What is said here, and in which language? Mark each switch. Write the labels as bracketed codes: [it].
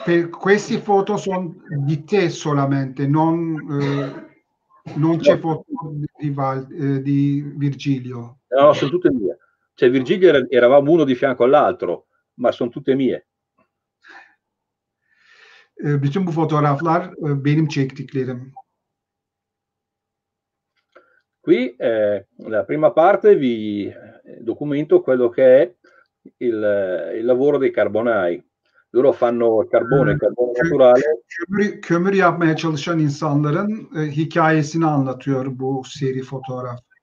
[it] Queste foto sono di te solamente, non c'è foto di Virgilio. No, sono tutte mie. Cioè Virgilio eravamo uno di fianco all'altro, ma sono tutte mie. [tr] Bütün bu fotoğraflar benim çektiklerim. [it] Qui la prima parte vi documento quello che è il lavoro dei carbonai. Loro fanno carbone, carbone naturale. [tr] Kömür yapmaya çalışan insanların hikayesini anlatıyor bu seri fotoğraf.